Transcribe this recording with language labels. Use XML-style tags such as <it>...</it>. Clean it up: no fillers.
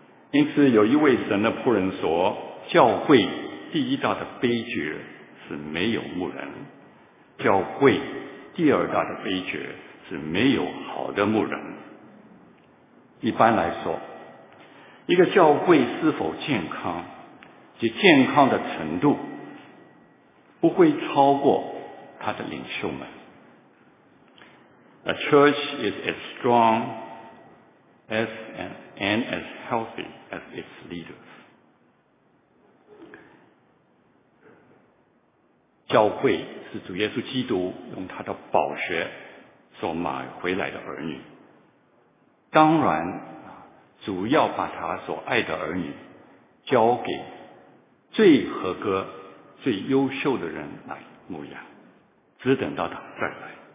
<zh>因此有一位神的仆人说，教会第一大的悲剧是没有牧人，教会第二大的悲剧是没有好的牧人。一般来说，一个教会是否健康及健康的程度不会超过他的领袖们。</zh> <en>A church is as strong as and as healthy as its leaders.</en> <zh>教会是主耶稣基督用他的宝血所买回来的儿女，当然主要把他所爱的儿女交给最合格最优秀的人来牧养，只等到他再来。</zh>